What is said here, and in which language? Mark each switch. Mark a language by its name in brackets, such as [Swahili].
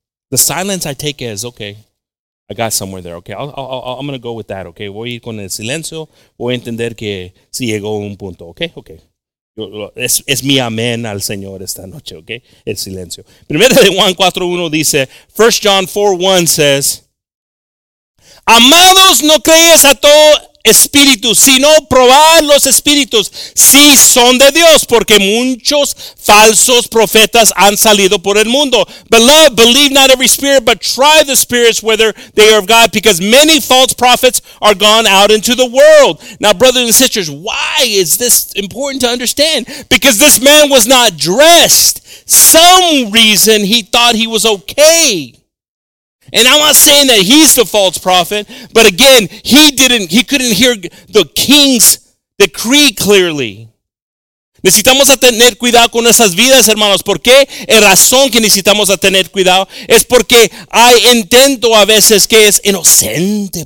[English] The silence I take is, okay, I got somewhere there. Okay, I'm going to go with that, okay? [Spanish] Voy con el silencio. Voy a entender que si llegó un punto, okay? Okay. Es mi amén al Señor esta noche, ok? El silencio. Primera de Juan 4:1 dice, [English] 1 John 4:1 says, [Spanish] amados, no creas a todo espíritu, sino probad los espíritus, si son de Dios, porque muchos falsos profetas han salido por el mundo. Beloved, believe not every spirit, but try the spirits whether they are of God, because many false prophets are gone out into the world. [English] Now, brothers and sisters, why is this important to understand? Because this man was not dressed. Some reason he thought he was okay. And I'm not saying that he's the false prophet, but again, he couldn't hear the king's decree clearly. [Spanish] Necesitamos a tener cuidado con nuestras vidas, hermanos. ¿Por qué? El razón que necesitamos a tener cuidado es porque hay intento a veces que es inocente.